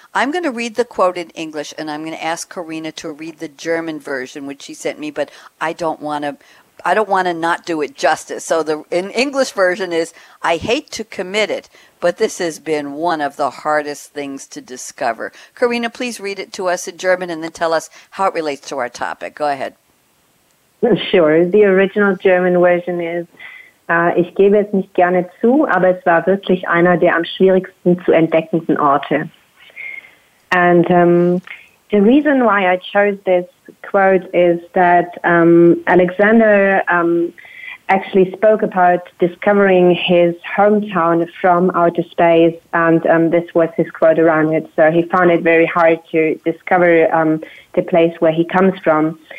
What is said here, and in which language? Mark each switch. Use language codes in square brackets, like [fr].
[en] I'm going to read the quote in English, and I'm going to ask Karina to read the German version, which she sent me, but I don't want to not do it justice. So the in English version is, I hate to commit it, but this has been one of the hardest things to discover. Karina, please read it to us in German and then tell us how it relates to our topic. Go ahead. Sure. The original German version is, [de] ich gebe es nicht gerne zu, aber es war wirklich einer der am schwierigsten zu entdeckenden Orte. [en] And the reason why I chose this quote is that Alexander actually spoke about discovering his hometown from outer space, and this was his quote around it. So he found it very hard to discover the place where he comes from.